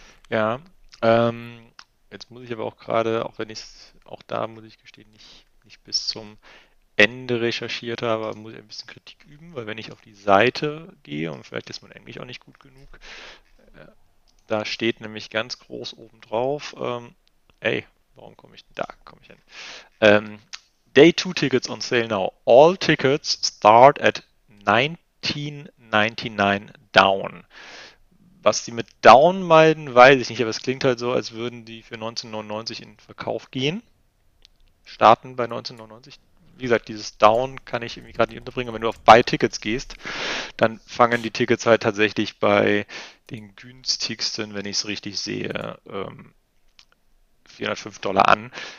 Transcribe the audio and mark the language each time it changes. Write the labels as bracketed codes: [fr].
[de] Ja, jetzt muss ich aber auch gerade, auch wenn ich es, auch da muss ich gestehen, nicht bis zum Ende recherchiert habe, muss ich ein bisschen Kritik üben, weil wenn ich auf die Seite gehe und vielleicht ist mein Englisch auch nicht gut genug, da steht nämlich ganz groß oben drauf, ey, warum komme ich denn da? Komme ich hin? [en] Day-2-Tickets on sale now. All tickets start at 19,99 down. [de] Was die mit Down meinen, weiß ich nicht, aber es klingt halt so, als würden die für 1999 in Verkauf gehen. Starten bei 1999. Wie gesagt, dieses Down kann ich irgendwie gerade nicht unterbringen, aber wenn du auf Buy Tickets gehst, dann fangen die Tickets halt tatsächlich bei den günstigsten, wenn ich es richtig sehe, $405 an.